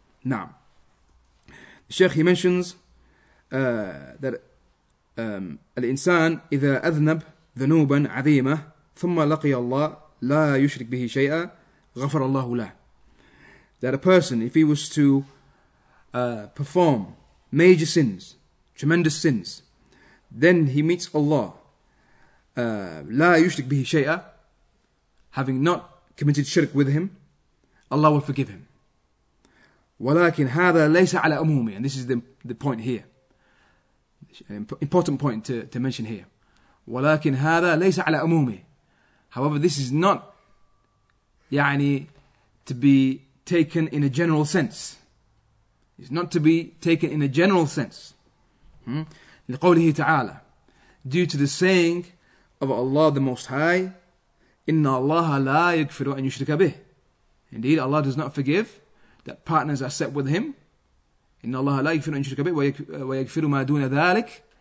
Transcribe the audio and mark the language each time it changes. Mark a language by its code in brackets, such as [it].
[en] Now, the Sheikh, he mentions that [ar] الإنسان إذا أذنب ذنوبا عظيمة ثم لقي الله لا يشرك به شيئا غفر الله له. [en] That a person, if he was to perform major sins, tremendous sins, then he meets Allah, [ar] لا يشرك به شيئا, [en] having not committed shirk with him, Allah will forgive him. [ar] ولكن هذا ليس على أمومي. [en] And this is the point here. Important point to mention here. [ar] ولكن هذا ليس على أمومي. [en] However, this is not يعني to be taken in a general sense. It's not to be taken in a general sense. [ar] لقوله تعالى, [en] due to the saying of Allah the Most High, [ar] إن الله لا يغفر أن يشرك به. [en] Indeed, Allah does not forgive that partners are set with Him. [ar] إن الله لا يغفر أن يشرك به ويغفر ما دون ذلك.